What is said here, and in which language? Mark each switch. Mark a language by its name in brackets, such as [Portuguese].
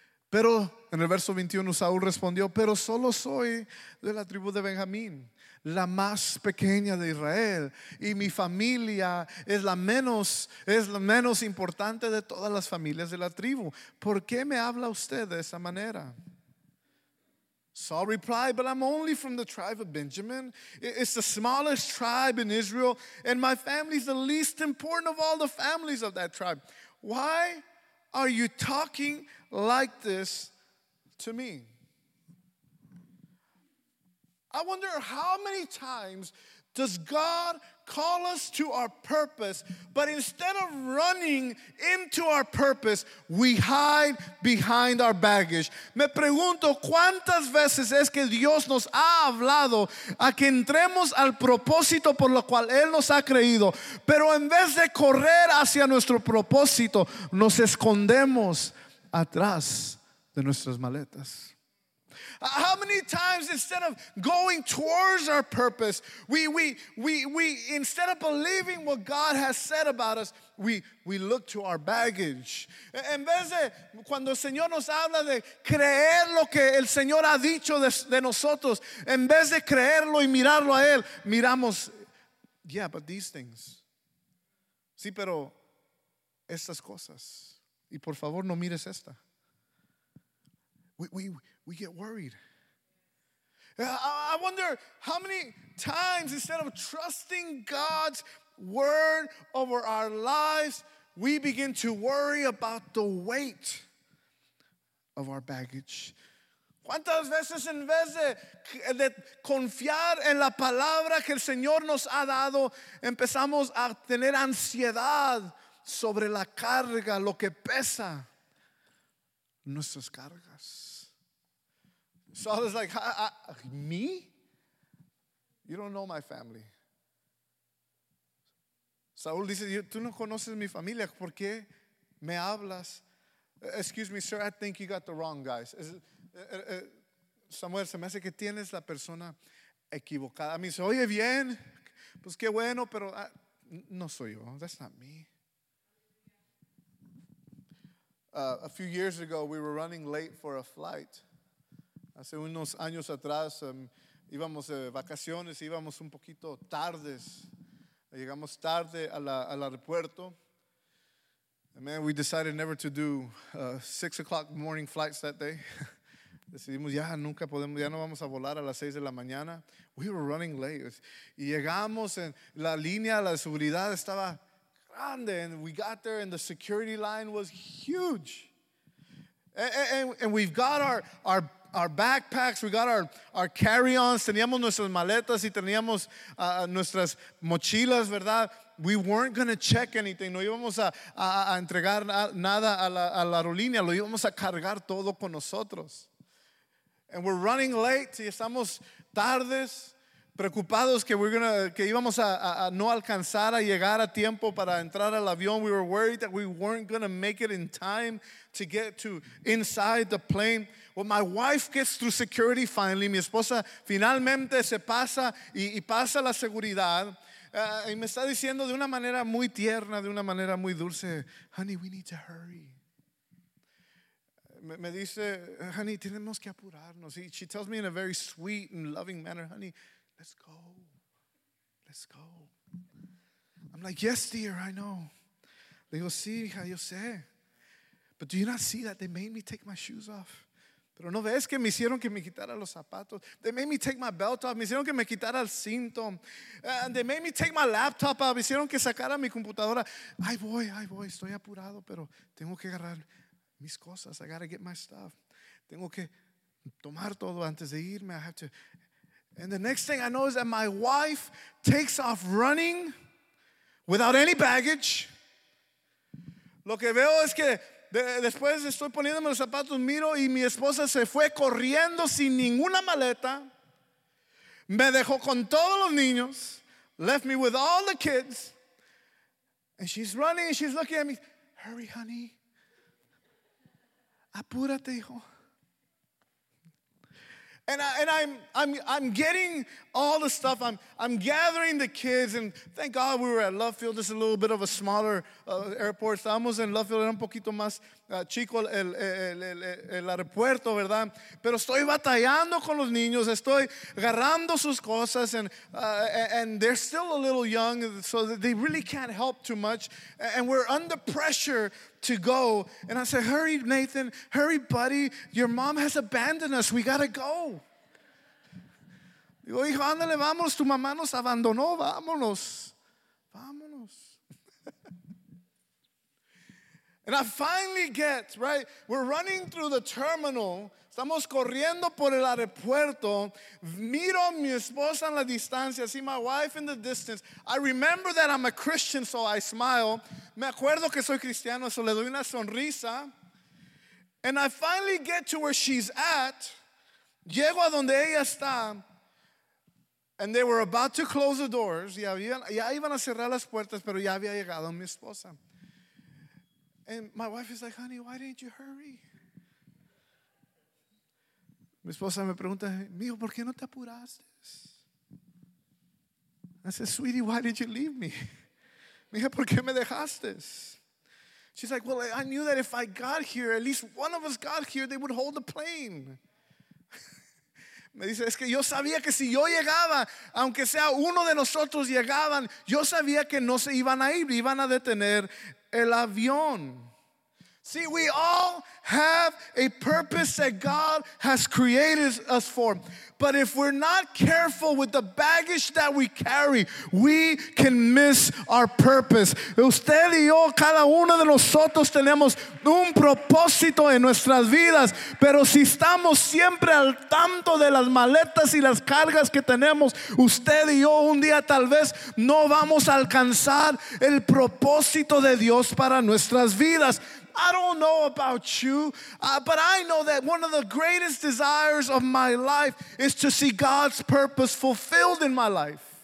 [Spanish] Pero en el verso 21 Saúl respondió, pero solo soy de la tribu de Benjamín, la más pequeña de Israel, y mi familia es la menos importante de todas las familias de la tribu. ¿Por qué me habla usted de esa manera? [English] Saul replied, but I'm only from the tribe of Benjamin. It's the smallest tribe in Israel, and my family is the least important of all the families of that tribe. Why are you talking like this to me? I wonder how many times does God call us to our purpose, but instead of running into our purpose, we hide behind our baggage. [Spanish] Me pregunto cuántas veces es que Dios nos ha hablado a que entremos al propósito por lo cual Él nos ha creído, pero en vez de correr hacia nuestro propósito, nos escondemos atrás de nuestras maletas. [English] How many times, instead of going towards our purpose, we instead of believing what God has said about us, we look to our baggage. [Spanish] En vez de cuando el Señor nos habla de creer lo que el Señor ha dicho de nosotros, en vez de creerlo y mirarlo a él, miramos, [English] yeah, but these things. [Spanish] Sí, pero estas cosas. Y por favor, no mires esta. [English] We get worried. I wonder how many times, instead of trusting God's word over our lives, we begin to worry about the weight of our baggage. [Spanish] ¿Cuántas veces, en vez de confiar en la palabra que el Señor nos ha dado, empezamos a tener ansiedad sobre la carga, lo que pesa nuestras cargas? [English] So I was like, me? You don't know my family. [Spanish] Saul dice, tú no conoces mi familia, ¿por qué me hablas? [English] Excuse me, sir, I think you got the wrong guys. [Spanish] Samuel, se me hace que tienes la persona equivocada. A mí se oye bien, pues qué bueno, pero no soy yo. [English] That's not me. A few years ago, we were running late for a flight. [Spanish] Hace unos años atrás, íbamos de vacaciones, íbamos un poquito tardes. Llegamos tarde al aeropuerto. [English] And man, we decided never to do 6 o'clock morning flights that day. [Spanish] Decidimos, ya nunca podemos, ya no vamos a volar a las 6 de la mañana. [English] We were running late. [Spanish] Y llegamos, en la línea, la seguridad estaba grande. [English] And we got there, and the security line was huge. And we've got our backpacks, we got our carry-ons, [Spanish] teníamos nuestras maletas y teníamos nuestras mochilas, ¿verdad? [English] We weren't going to check anything. [Spanish] No íbamos a entregar nada a la aerolínea. Lo íbamos a cargar todo con nosotros. [English] And we're running late. [Spanish] Y estamos tardes, preocupados que íbamos a no alcanzar a llegar a tiempo para entrar al avión. [English] We were worried that we weren't going to make it in time to get to inside the plane. Well, my wife gets through security finally. [Spanish] Mi esposa finalmente se pasa y pasa la seguridad. Y me está diciendo de una manera muy tierna, de una manera muy dulce, [English] honey, we need to hurry. [Spanish] Me dice, honey, tenemos que apurarnos. [English] She tells me in a very sweet and loving manner, honey, let's go. Let's go. I'm like, yes, dear, I know. [Spanish] Le digo, sí, hija, yo sé. [English] But do you not see that they made me take my shoes off? [Spanish] Pero no ves que me hicieron que me quitara los zapatos. [English] They made me take my belt off. [Spanish] Me hicieron que me quitara el cinto. [English] And they made me take my laptop off. [Spanish] Me hicieron que sacara mi computadora. Ay voy. Estoy apurado, pero tengo que agarrar mis cosas. [English] I gotta get my stuff. [Spanish] Tengo que tomar todo antes de irme. [English] I have to. And the next thing I know is that my wife takes off running without any baggage. [Spanish] Lo que veo es que después estoy poniéndome los zapatos, miro y mi esposa se fue corriendo sin ninguna maleta. Me dejó con todos los niños. [English] Left me with all the kids. And she's running and she's looking at me. Hurry, honey. [Spanish] Apúrate, hijo. [English] And I'm getting all the stuff. I'm gathering the kids, and thank God we were at Love Field. This is a little bit of a smaller airport. [Spanish] Estábamos en Love Field, era un poquito más chico el aeropuerto, ¿verdad? Pero estoy batallando con los niños. Estoy agarrando sus cosas, [English] and they're still a little young, so they really can't help too much. And we're under pressure to go. And I said, hurry, Nathan. Hurry, buddy. Your mom has abandoned us. We got to go. [Spanish] Digo, hijo, ándale, vámonos. Tu mamá nos abandonó. Vámonos. Vámonos. [English] And I finally get, right, we're running through the terminal. [Spanish] Estamos corriendo por el aeropuerto. Miro a mi esposa en la distancia. [English] See my wife in the distance. I remember that I'm a Christian, so I smile. [Spanish] Me acuerdo que soy cristiano, so le doy una sonrisa. [English] And I finally get to where she's at. [Spanish] Llego a donde ella está. [English] And they were about to close the doors. [Spanish] Ya iban a cerrar las puertas, pero ya había llegado mi esposa. [English] And my wife is like, honey, why didn't you hurry? [Spanish] Mi esposa me pregunta, mijo, ¿por qué no te apuraste? [English] I said, sweetie, why did you leave me? [Spanish] Mija, ¿por qué me dejaste? [English] She's like, well, I knew that if I got here, at least one of us got here, they would hold the plane. [Spanish] Me dice, es que yo sabía que si yo llegaba, aunque sea uno de nosotros llegaban, yo sabía que no se iban a ir, iban a detener el avión. [English] See, we all have a purpose that God has created us for. But if we're not careful with the baggage that we carry, we can miss our purpose. [Spanish] Usted y yo, cada uno de nosotros tenemos un propósito en nuestras vidas. Pero si estamos siempre al tanto de las maletas y las cargas que tenemos, usted y yo un día tal vez no vamos a alcanzar el propósito de Dios para nuestras vidas. [English] I don't know about you, but I know that one of the greatest desires of my life is to see God's purpose fulfilled in my life.